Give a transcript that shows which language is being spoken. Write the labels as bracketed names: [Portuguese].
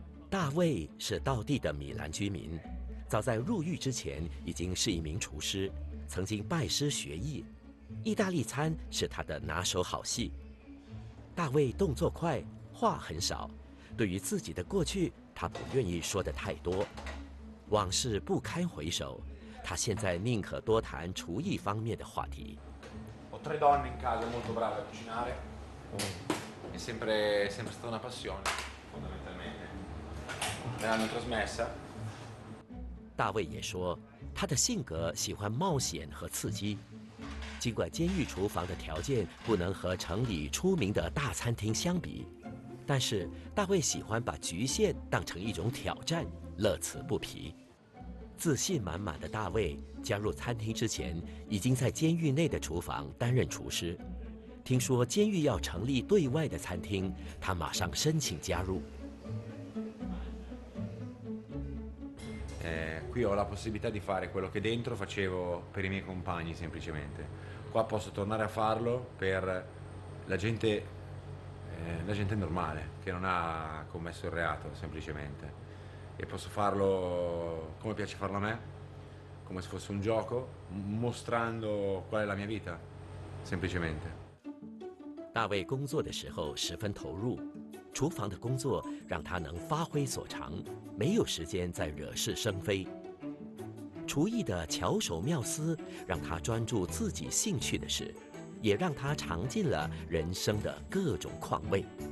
[Chinese] 大卫是道地的米兰居民，早在入狱之前已经是一名厨师，曾经拜师学艺，意大利餐是他的拿手好戏。大卫动作快，话很少，对于自己的过去他不愿意说得太多，往事不堪回首，他现在宁可多谈厨艺方面的话题。 [Italian] Ho tre donne in casa molto brave a cucinare. È sempre stata una passione, fondamentalmente. Me l'hanno trasmessa. [Chinese] 大卫也说，他的性格喜欢冒险和刺激。尽管监狱厨房的条件不能和城里出名的大餐厅相比，但是大卫喜欢把局限当成一种挑战。乐此不疲，自信满满的大卫加入餐厅之前，已经在监狱内的厨房担任厨师。听说监狱要成立对外的餐厅，他马上申请加入。 [Italian] qui ho la possibilità di fare quello che dentro facevo per i miei compagni semplicemente. Qua posso tornare a farlo per la gente normale che non ha commesso il reato semplicemente. E posso farlo come piace farlo a me, come se fosse un gioco, mostrando qual è la mia vita, semplicemente. [Chinese] 大卫工作的时候十分投入，厨房的工作让他能发挥所长，没有时间再惹是生非。厨艺的巧手妙思让他专注自己兴趣的事，也让他尝尽了人生的各种况味。